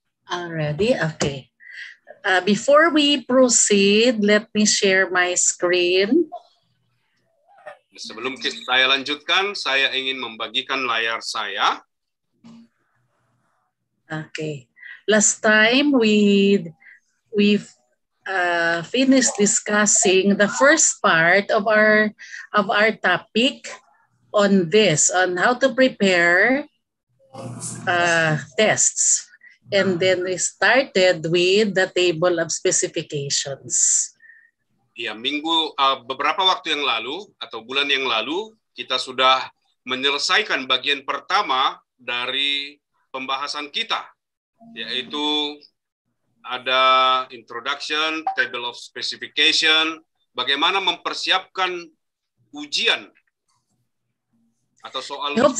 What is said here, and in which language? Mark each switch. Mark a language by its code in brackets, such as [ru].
[en] Already, okay. Before we proceed, let me share my screen. [id] Sebelum saya lanjutkan, saya ingin membagikan layar saya. [en] Okay. Last time we finished discussing the first part of our topic on this, on how to prepare tests. And then we started with the table of specifications. [id] Ya, minggu beberapa waktu yang lalu atau bulan yang lalu kita sudah menyelesaikan bagian pertama dari pembahasan kita, yaitu ada introduction, table of specification, bagaimana mempersiapkan ujian atau soal.